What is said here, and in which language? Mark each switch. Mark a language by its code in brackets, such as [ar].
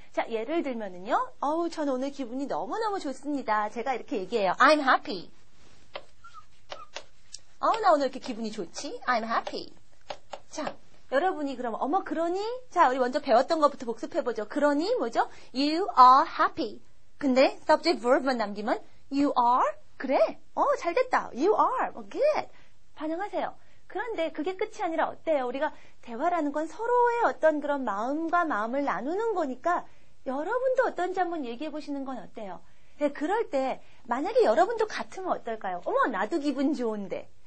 [ko] 자, 예를 들면은요. 어우, 전 오늘 기분이 너무너무 좋습니다. 제가 이렇게 얘기해요. [en] I'm happy. [ko] 어우, 나 오늘 이렇게 기분이 좋지? [en] I'm happy. [ko] 자, 여러분이 그럼, 어머, 그러니? 자, 우리 먼저 배웠던 것부터 복습해보죠. 그러니? 뭐죠? [en] You are happy. [ko] 근데 [en] subject verb [ko] 만 남기면 you are? 그래. 어, 잘 됐다. [en] You are. Good. [ko] 반응하세요. 그런데 그게 끝이 아니라 어때요? 우리가 대화라는 건 서로의 어떤 그런 마음과 마음을 나누는 거니까 여러분도 어떤지 한번 얘기해 보시는 건 어때요? 네, 그럴 때 만약에 여러분도 같으면 어떨까요? 어머, 나도 기분 좋은데.